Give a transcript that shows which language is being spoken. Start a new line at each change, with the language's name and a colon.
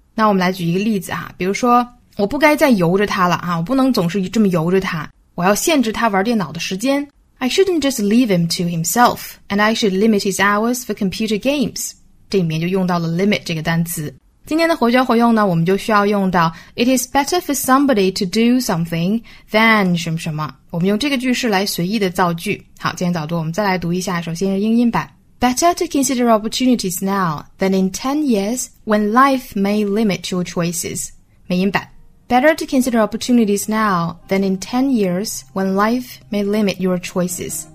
Chinese: 那我们来举一个例子哈，比如说我不该再由着他了啊，我不能总是这么由着他，我要限制他玩电脑的时间。
English: I shouldn't just leave him to himself and I should limit his hours for computer games。
Chinese: 这里面就用到了 limit 这个单词。今天的活学活用呢，我们就需要用到
English: It is better for somebody to do something than
Chinese: 什么什么。我们用这个句式来随意的造句。好，今天早读我们再来读一下，首先是英音版。
English: Better to consider opportunities now than in 10 years when life may limit your choices.
Chinese: 美音版。
English: Better to consider opportunities now than in 10 years when life may limit your choices.